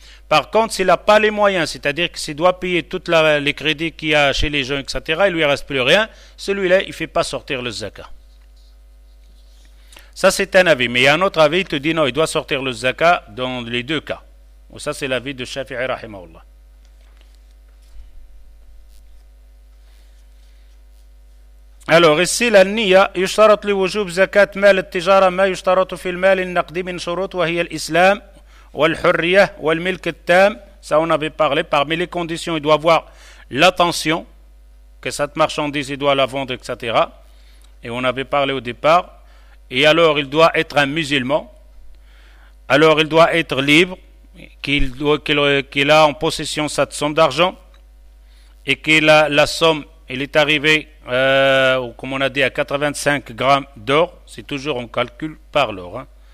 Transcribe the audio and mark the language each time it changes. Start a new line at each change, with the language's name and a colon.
French: Par contre, s'il n'a pas les moyens, c'est-à-dire que s'il doit payer tous les crédits qu'il y a chez les gens, etc., il ne lui reste plus rien, celui-là, il ne fait pas sortir le zakat. Ça, c'est un avis. Mais il y a un autre avis, il te dit, non, il doit sortir le zakat dans les deux cas. Ça, c'est l'avis de Shafi'i Rahimahullah. Alors, ici, la niya,
Arabic: يشترط لوجوب زكاة مال التجارة ما يشترط في المال النقدي من شروط وهي الإسلام والحرية والملك التام.
French: Ça, on avait parlé. Parmi les conditions, il doit avoir l'attention que cette marchandise, il doit la vendre, etc. Et on avait parlé au départ. Et alors, il doit être un musulman. Alors, il doit être libre. Qu'il a en possession cette somme d'argent et que la somme il est arrivée comme on a dit à 85 grammes d'or, c'est toujours en calcul par l'or hein.